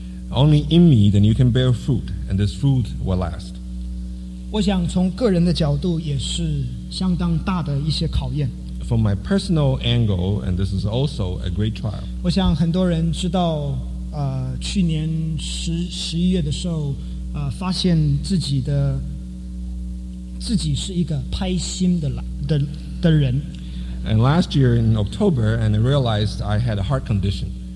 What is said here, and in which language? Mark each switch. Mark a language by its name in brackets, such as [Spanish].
[English] Only in me, then you can bear fruit, and this fruit will last. [Chinese] 我想从个人的角度也是相当大的一些考验。 [English] From my personal angle, and this is also a great trial. [Chinese] 我想很多人知道，去年十一月的时候，发现自己是一个拍心的人。 [English] And last year in October, and I realized I had a heart condition.